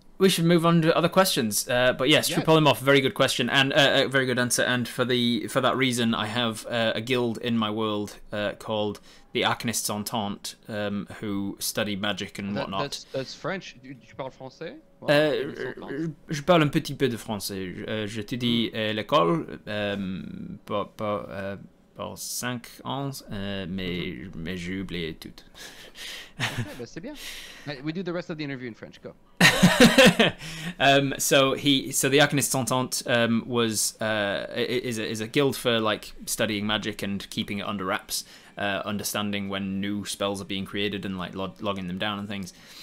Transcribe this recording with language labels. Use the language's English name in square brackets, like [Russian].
[English] We should move on to other questions. But yes, true polymorph, very good question and a very good answer. And for that reason, I have a guild in my world called the Arcanists Entente, who study magic and whatnot. That's French. [French] Tu parles français? Je parle un petit peu de français. Je te dis l'école pour 5 ans, mais j'ai oublié tout. Okay, c'est bien. [English] We do the rest of the interview in French. Go. So the Arcanists Entente is a guild for like studying magic and keeping it under wraps, understanding when new spells are being created and like logging them down and things.